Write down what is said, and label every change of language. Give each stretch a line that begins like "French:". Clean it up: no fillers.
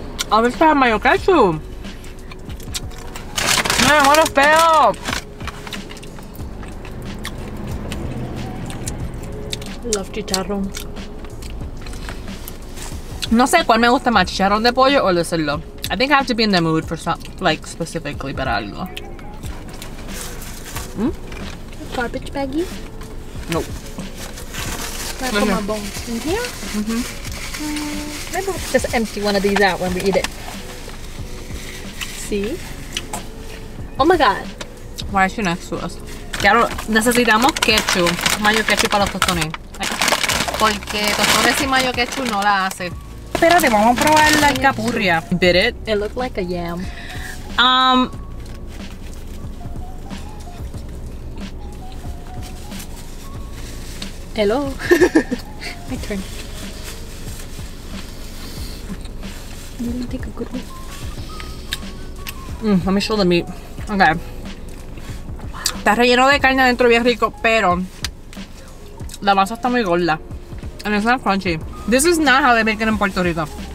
Spanish: A ver, está mayo ketchup. No, me muero feo.
English: Love chicharrón.
Spanish: No sé cuál me gusta más, chicharrón de pollo o el de cerdo.
English: I think I have to be in the mood for some, like, specifically
Spanish: para algo.
English: Garbage baggie? No. Like, Maybe we'll just empty one of these out when we eat it. See? Oh my god. Why is she next to us?
Spanish: Claro, necesitamos ketchup. Mayo ketchup para los tostones. Porque tostones sin mayo ketchup no la hace. Espérate, vamos a probar la alcapurria.
English: Bit it. It looked like a yam. Hello. My turn. You didn't take a good one. Let me show the meat. Okay.
Spanish: Está relleno de carne adentro, bien rico, pero la masa está muy gorda.
English: And it's not crunchy. This is not how they make it in Puerto Rico.